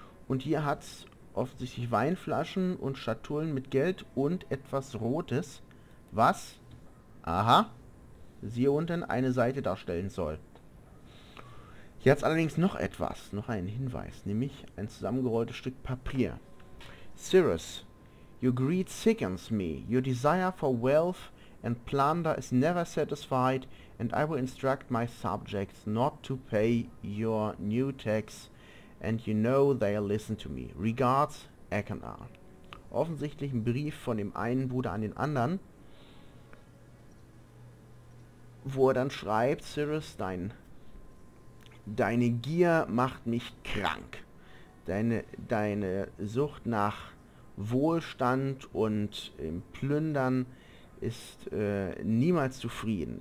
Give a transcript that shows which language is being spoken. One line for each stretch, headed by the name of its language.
German: Und hier hat es offensichtlich Weinflaschen und Schatullen mit Geld und etwas Rotes, was, aha, siehe unten, eine Seite darstellen soll. Hier hat es allerdings noch etwas, noch einen Hinweis, nämlich ein zusammengerolltes Stück Papier.
English: Cyrus, your greed sickens me. Your desire for wealth and plunder is never satisfied, and I will instruct my subjects not to pay your new tax, and you know they'll listen to me. Regards, Akenar.
German: Offensichtlich ein Brief von dem einen Bruder an den anderen, wo er dann schreibt, Cyrus, deine Gier macht mich krank. Deine Sucht nach Wohlstand und im Plündern ist niemals zufrieden.